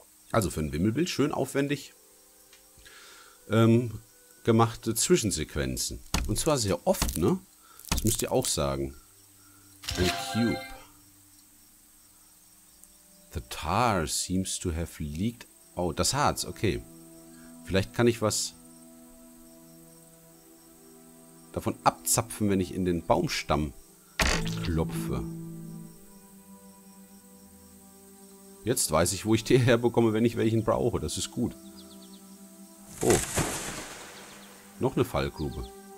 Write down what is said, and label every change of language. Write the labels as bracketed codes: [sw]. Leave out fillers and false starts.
[de] Also für ein Wimmelbild schön aufwendig gemachte Zwischensequenzen. Und zwar sehr oft, ne? Das müsst ihr auch sagen. Ein Cube. [en] The tar seems to have leaked out. [de] Oh, das Harz, okay. Vielleicht kann ich was davon abzapfen, wenn ich in den Baumstamm klopfe. Jetzt weiß ich, wo ich Tee herbekomme, wenn ich welchen brauche. Das ist gut. Oh. Noch eine Fallgrube.